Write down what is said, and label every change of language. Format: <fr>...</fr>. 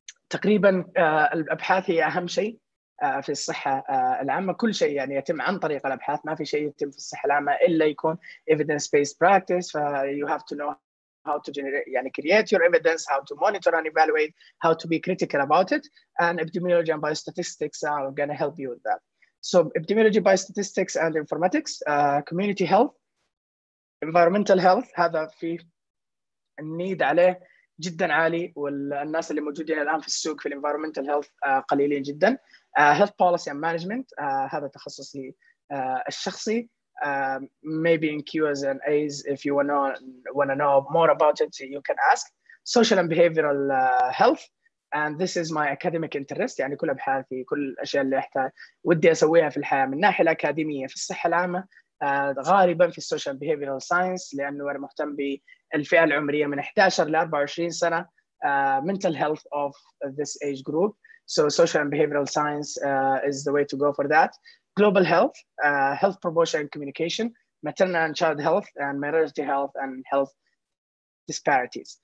<ar>تقريباً الأبحاث هي أهم شيء في الصحة العامة، كل شيء يعني يتم عن طريق الأبحاث، ما في شيء يتم في الصحة العامة إلا يكون</ar> <en>evidence-based practice. You have to know how to generate, يعني create your evidence, how to monitor and evaluate, how to be critical about it, and epidemiology and biostatistics are going to help you with that. So epidemiology, biostatistics, and informatics, community health, environmental health,</en> <ar>هذا في النيد عليه جداً عالي، والناس اللي موجودين الآن في السوق في</ar> <en>environmental health</en> <ar>قليلين جداً.</ar> <en>Health policy and management,</en> <ar>هذا تخصصي الشخصي.</ar> <en>Maybe in Q's and A's, if you want to know more about it, you can ask. Social and behavioral health, and this is my academic interest.</en> <ar>يعني كل أبحاثي، كل الأشياء اللي أحتاج ودي أسويها في الحياة من ناحية الأكاديمية في الصحة العامة، غالباً في</ar> <en>social and behavioral science،</en> <ar>لأنه أنا مهتم بالفئة العمرية من 11 ل 24 سنة.</ar> <en>Mental health of this age group. So social and behavioral science is the way to go for that. Global health, health promotion and communication, maternal and child health, and minority health and health disparities.</en>